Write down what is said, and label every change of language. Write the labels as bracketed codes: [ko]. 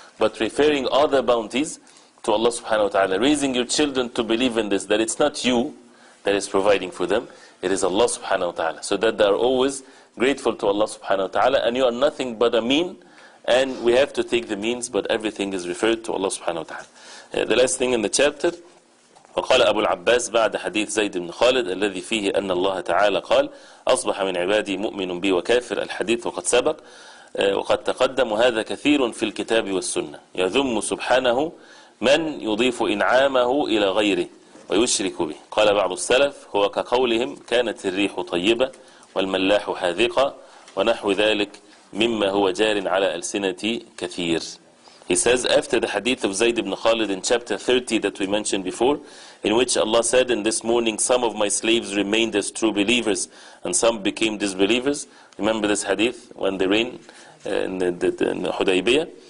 [en] But referring other bounties to Allah subhanahu wa ta'ala, raising your children to believe in this, that it's not you that is providing for them, it is Allah subhanahu wa ta'ala, so that they are always grateful to Allah subhanahu wa ta'ala, and you are nothing but a mean, and we have to take the means, but everything is referred to Allah subhanahu wa ta'ala. The last thing in the chapter, [ar] وقال أبو العباس بعد حديث زيد بن خالد الذي فيه أن الله تعالى قال أصبح من عبادي مؤمن بي وكافر الحديث وقد سبق وقد تقدم هذا كثير في الكتاب والسنة يذم سبحانه من يضيف إنعامه إلى غيره ويشرك به قال بعض السلف هو كقولهم كانت الريح طيبة والملاح حاذقة ونحو ذلك مما هو جار على ألسنة كثير. [en] He says, after the hadith of Zayd ibn Khalid in chapter 30 that we mentioned before, in which Allah said, in this morning some of my slaves remained as true believers and some became disbelievers. Remember this hadith when they rain in Hudaybiyah.